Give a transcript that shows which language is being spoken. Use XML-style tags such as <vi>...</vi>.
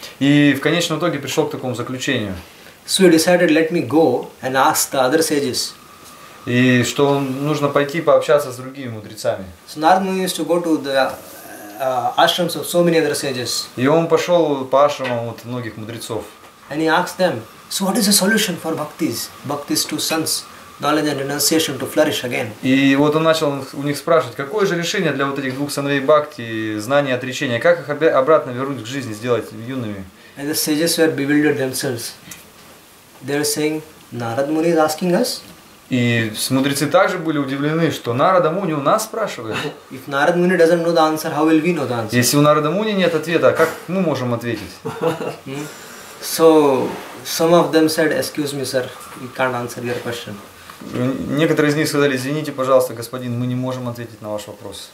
<ru>И в конечном итоге пришел к такому заключению.</ru> <en>So he decided, let me go and ask the other sages.</en> <ru>И что нужно пойти пообщаться с другими мудрецами.</ru> <en>So Narad Muni used to go to the ashrams of so many other sages.</en> <ru>И он пошел по ашрамам вот многих мудрецов.</ru> <en>And he asked them, so what is the solution for bhaktis? Bhaktis to sons, knowledge and renunciation to flourish again.</en> <ru>И вот он начал у них спрашивать, какое же решение для вот этих двух сыновей бхакти, знания и отречения, как их обратно вернуть к жизни, сделать юными.</ru> <en>And the sages were bewildered themselves. They were saying, Narad Muni is asking us.</en> <ru>И мудрецы также были удивлены, что Narada Muni у нас спрашивает.</ru> <en>If Narad Muni doesn't know the answer, how will we know the answer?</en> <ru>Если у Narada Muni нет ответа, как мы можем ответить?</ru> <en>So some of them said, "Excuse me, sir, we can't answer your question."</en> <ru>Некоторые из них сказали: "Извините, пожалуйста, господин, мы не можем ответить на ваш вопрос."</ru>